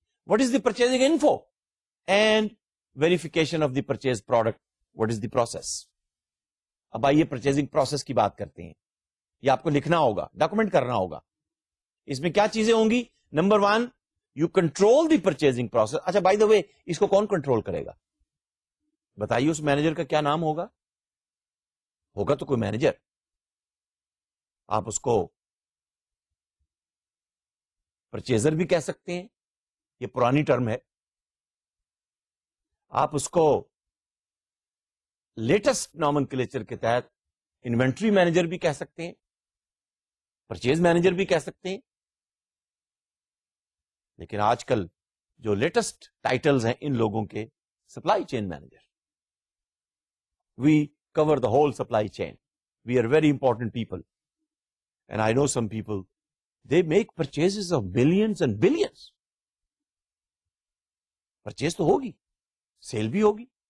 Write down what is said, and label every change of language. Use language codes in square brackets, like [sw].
[en] What is the purchasing info and verification of the purchased product? What is the process? [ur] اب آئیے purchasing process کی بات کرتے ہیں. یہ آپ کو لکھنا ہوگا, ڈاکومنٹ کرنا ہوگا. اس میں کیا چیزیں ہوں گی؟ Number one, [en] You control the purchasing process. [ur] اچھا بائی دا وے اس کو کون کنٹرول کرے گا بتائیے, اس مینیجر کا کیا نام ہوگا؟ ہوگا تو کوئی مینیجر. آپ اس کو پرچیزر بھی کہہ سکتے ہیں, یہ پرانی ٹرم ہے. آپ اس کو لیٹسٹ نومنکلیچر کے تحت انوینٹری مینیجر بھی کہہ سکتے ہیں, پرچیز مینیجر بھی کہہ سکتے ہیں. لیکن آج کل جو لیٹسٹ ٹائٹلز ہیں ان لوگوں کے, supply chain manager. [en] We cover the whole supply chain, we are very important people. And I know some people, they make purchase of millions and billions. [ur] Purchase تو ہوگی, سیل بھی ہوگی.